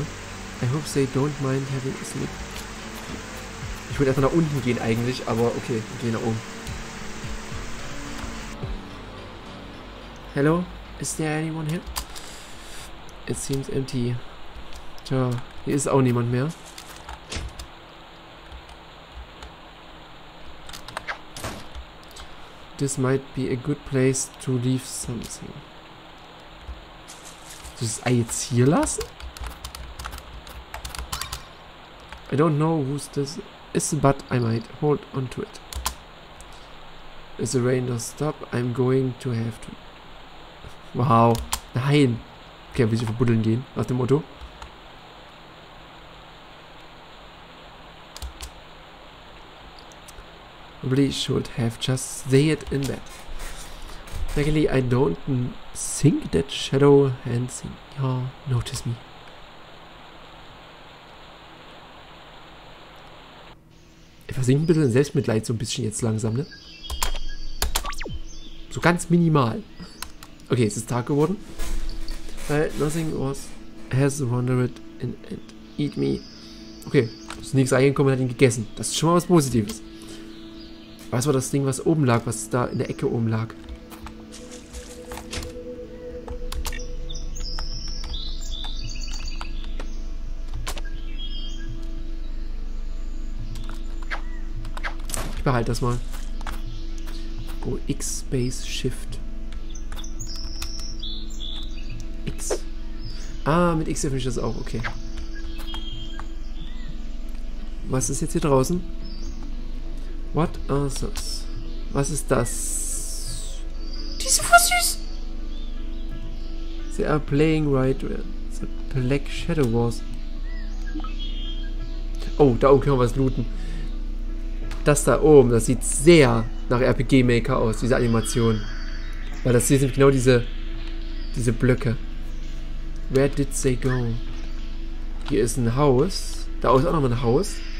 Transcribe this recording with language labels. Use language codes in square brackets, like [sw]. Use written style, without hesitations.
[en] I hope they don't mind having a sleep. [de] Ich würde einfach nach unten gehen eigentlich, aber okay, ich gehe nach oben. [en] Hello, is there anyone here? It seems empty. [de] Tja, hier ist auch niemand mehr. [en] This might be a good place to leave something. [de] Soll ich das Ei jetzt hier lassen? [en] I don't know who this is, but I might hold on to it. Is the rain to stop? I'm going to have to. Wow. [de] Nein. Okay, wir müssen verbuddeln gehen. Nach dem Motto. [en] Probably should have just stayed in bed. Luckily, I don't think that Shadow and Senior notice me. [de] Ich versinke ein bisschen Selbstmitleid so ein bisschen jetzt langsam, ne? So ganz minimal. Okay, es ist Tag geworden. [en] Well, nothing was has wandered in and eat me. [de] Okay, ist nichts reingekommen und hat ihn gegessen. Das ist schon mal was Positives. Was war das Ding, was oben lag, was da in der Ecke oben lag? Ich behalte das mal. [en] Go X, Space, Shift. X. [de] Ah, mit X öffne ich das auch, okay. Was ist jetzt hier draußen? [en] What are those? [de] Was ist das? Die sind voll süß! [en] They are playing right where the Black Shadow was. [de] Oh, da oben können wir was looten. Das da oben, das sieht sehr nach RPG Maker aus, diese Animation. Weil das hier sind genau diese Blöcke. [en] Where did they go? [de] Hier ist ein Haus. Da ist auch nochmal ein Haus.